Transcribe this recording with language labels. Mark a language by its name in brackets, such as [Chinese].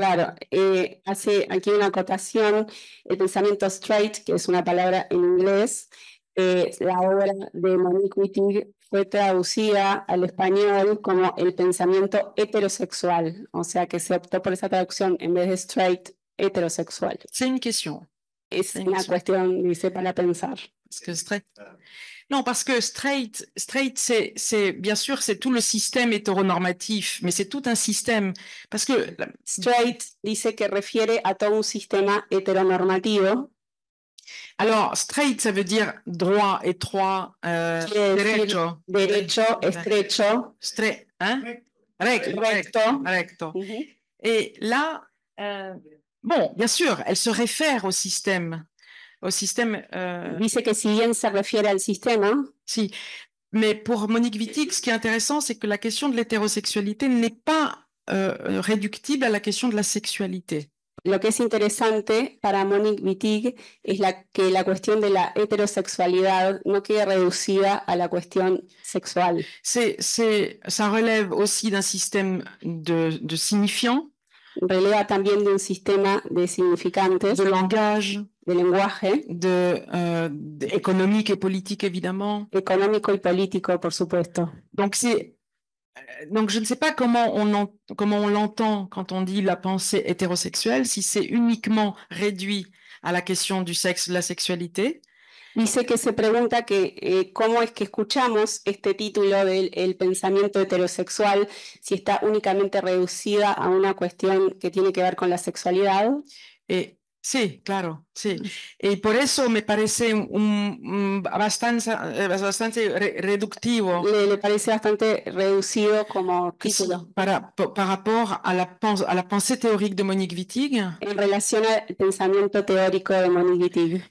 [Spanish] Claro, hace aquí una acotación, el pensamiento straight, que es una palabra en inglés, la obra de Monique Wittig fue traducida al español como el pensamiento heterosexual, o sea que se optó por esa traducción en vez de straight, heterosexual. [French] C'est une question. [Spanish] Es una cuestión, dice, para pensar. [French] Parce que straight. Non, parce que straight, c'est bien sûr, c'est tout le système hétéronormatif, mais c'est tout un système. Parce que [Spanish] straight dice que refiere a todo un sistema heteronormativo. [French] Alors, straight, ça veut dire droit, étroit, derecho. [Spanish] Derecho, estrecho. [French] Straight, hein? [Spanish] Recto. Recto. [French] Et là, bon, bien sûr, elle se réfère au système. Au système. [Spanish] Dice que si bien se refiere al sistema. Si. [French] Mais pour Monique Wittig, ce qui est intéressant, c'est que la question de l'hétérosexualité n'est pas réductible à la question de la sexualité. [Spanish] Lo que es interesante para Monique Wittig es que la cuestión de la heterosexualidad no quede reducida a la cuestión sexual. [French] Ça relève aussi d'un système de signifiant. [Spanish] Relève también de un sistema de significantes. [French] De langage. [Spanish] De lenguaje, [French] de économique et politique, évidemment. [Spanish] Económico y político, por supuesto. [French] Donc je ne sais pas comment on l'entend quand on dit la pensée hétérosexuelle, si c'est uniquement réduit à la question du sexe, de la sexualité. [Spanish] Dice que se pregunta que cómo es que escuchamos este título del pensamiento heterosexual si está únicamente reducida a una cuestión que tiene que ver con la sexualidad. Et Sí, claro, sí. Y por eso me parece un bastante reductivo Le parece bastante reducido como título. [French] par rapport à la pensée théorique de Monique Wittig, [Spanish] En relación al pensamiento teórico de Monique Wittig.